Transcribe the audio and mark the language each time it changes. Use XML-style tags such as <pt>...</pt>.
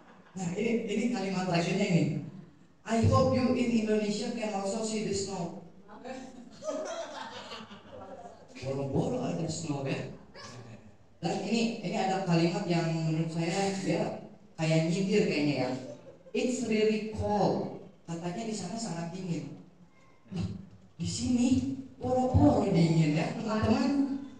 <id>Nah, ini kalimat terakhirnya ini.</id> <en>I hope you in Indonesia can also see the snow.</en> <id>Boro-boro ada snow ya. Dan ini ada kalimat yang menurut saya ya kayak nyindir kayaknya ya.</id> <en>It's really cold.</en> <id>Katanya di sana sangat dingin. Di sini boro-boro dingin ya, teman-teman.</id>